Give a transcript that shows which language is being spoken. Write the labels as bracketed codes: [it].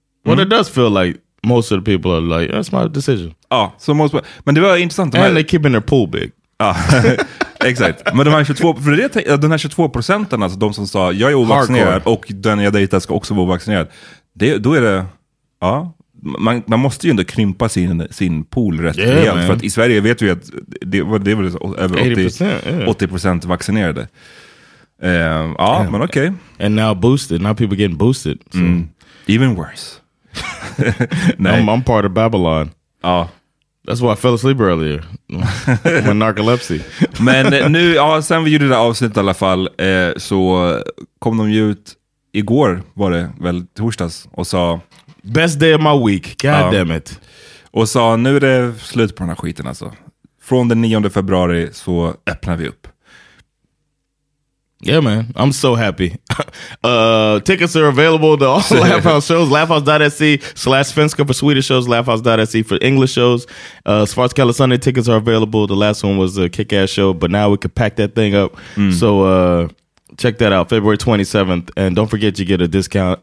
[en] Well, it does feel like most of the people are like, that's my decision. [sv] Ja, [en] so most, [sv] men det var intressant. [en] And they keeping their pool big. [sv] Ja. Exakt. Men de här 22%, alltså de som sa jag är ovaccinerad hardcore, och den jag dejtar ska också vara ovaccinerad. Det, då är det, ja, man måste ju ändå krympa sin pool rätt rejält, [en] yeah, [sv] för att i Sverige vet vi att det var över 80% vaccinerade. Ja, [en] yeah, [sv] men okej. [en] Okay. And now boosted. Now people getting boosted. So. Mm. Even worse. [sv] Nej. [en] I'm part of Babylon. [sv] Ja. [en] That's why I fell asleep earlier. My narcolepsy. [sv] Men nu, ja, sen vi gjorde det avsnitt i alla fall, så kom de ju ut igår, var det väl, torsdags, och sa [en] best day of my week, god damn it. [sv] Och sa, nu är det slut på den här skiten alltså. Från den 9 februari så öppnar vi upp. [en] Yeah, man. I'm so happy. Tickets are available to all Laughhouse shows. Laughhouse.se/Svenska for Swedish shows. Laughhouse.se for English shows. Svartskalle Sunday tickets are available. The last one was a kick-ass show, but now we could pack that thing up. Mm. So check that out. February 27th. And don't forget, you get a discount.